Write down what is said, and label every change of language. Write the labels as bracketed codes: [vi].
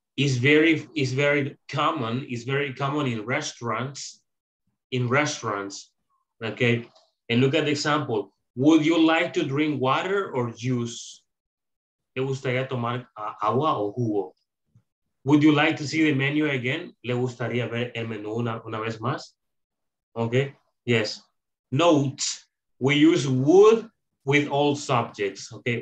[en] Is very common in restaurants, okay? And look at the example. Would you like to drink water or juice? [es] ¿Le gustaría tomar agua o jugo? [en] Would you like to see the menu again? [es] ¿Le gustaría ver el menú una vez más? [en] Okay, yes. Note, we use would with all subjects, okay?